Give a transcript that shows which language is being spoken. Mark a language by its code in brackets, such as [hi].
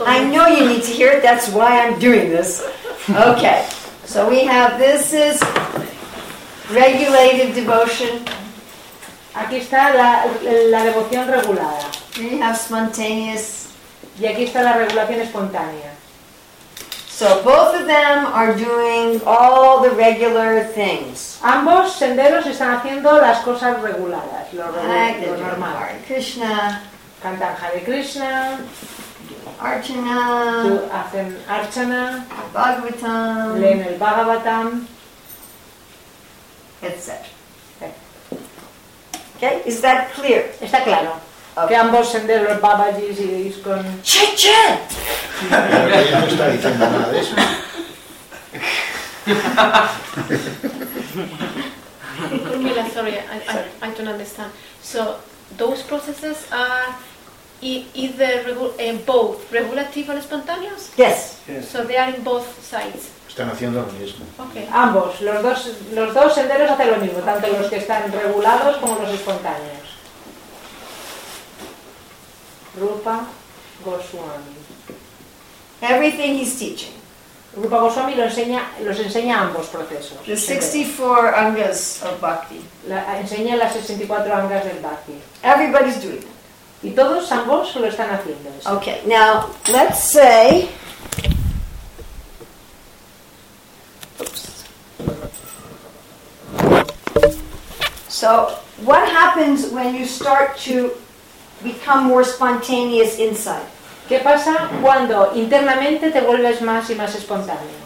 [en] I know you need to hear it, that's why I'm doing this. Okay, so we have this is regulated devotion. [es] Aquí está la devoción regulada. [en] We have spontaneous. [es] Y aquí está la regulación espontánea. [en] So both of them are doing all the regular things. [es] Ambos senderos están haciendo las cosas reguladas, lo normal. [en] Hare Krishna. [es] Cantan Hare Krishna. [en] Archana. [es] Hacen Archana. [en] Bhagavatam. [es] Leen el Bhagavatam. [en] Etc. Okay, is that clear? [es] Está claro. Okay. Que ambos senderos, Babaji y Iskon. Che, che. No está diciendo nada de eso. [en] Urmila, sorry, I don't understand. So those processes are either both regulative and spontaneous? Yes. So they are in both sides. [es] Están haciendo lo mismo. [en] Okay. [es] Ambos, los dos senderos hacen lo mismo, tanto los que están regulados como los espontáneos. [en] Rupa Goswami. Everything he's teaching. [es] Rupa Goswami los enseña ambos procesos. [en] The 64 angas of bhakti. [es] Enseña las 64 angas del bhakti. [en] Everybody's doing it. [es] Y todos ambos lo están haciendo. Eso. Okay. [en] Now, let's say so, what happens when you start to become more spontaneous inside? [es] ¿Qué pasa cuando internamente te vuelves más y más espontáneo?